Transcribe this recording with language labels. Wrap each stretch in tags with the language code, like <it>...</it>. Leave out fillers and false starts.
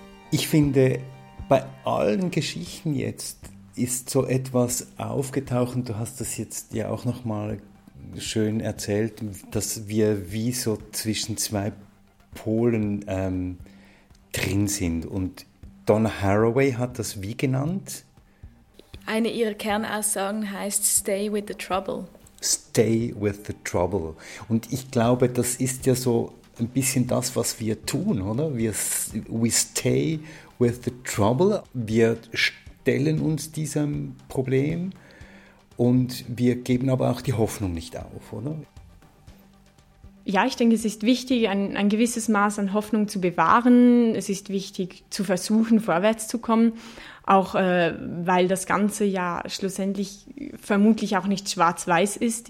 <de>Ich finde, bei allen Geschichten jetzt ist so etwas aufgetaucht, du hast das jetzt ja auch noch mal schön erzählt, dass wir wie so zwischen zwei Polen drin sind. Und Donna Haraway hat das wie genannt? Eine ihrer Kernaussagen heißt</de> <en>Stay with the Trouble. Stay with the Trouble.</en> <de>Und ich glaube, das ist ja so ein bisschen das, was wir tun, oder?</de> <en>We stay with the Trouble.</en> <de>Wir stellen uns diesem Problem. Und wir geben aber auch die Hoffnung nicht auf, oder? Ja, ich denke, es ist wichtig, ein gewisses Maß an Hoffnung zu bewahren. Es ist wichtig, zu versuchen, vorwärts zu kommen. Auch weil das Ganze ja schlussendlich vermutlich auch nicht schwarz-weiß ist.</de>